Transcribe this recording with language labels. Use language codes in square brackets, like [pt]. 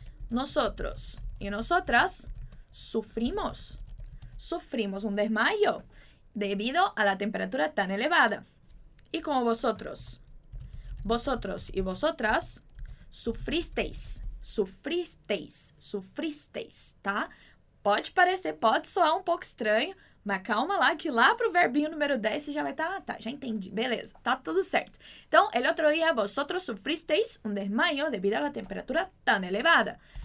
[es] Nosotros e nosotras sufrimos. Sufrimos un desmayo debido a la temperatura tan elevada. E como vosotros? Vosotros e vosotras sufristeis. Sufristeis, sufristeis, tá? [pt] Pode parecer, pode soar um pouco estranho, mas calma lá, que lá pro verbinho número 10 você já vai estar, tá, já entendi, beleza, tá tudo certo. [es] Então, el otro día vosotros sufristeis un desmayo debido a la temperatura tan elevada.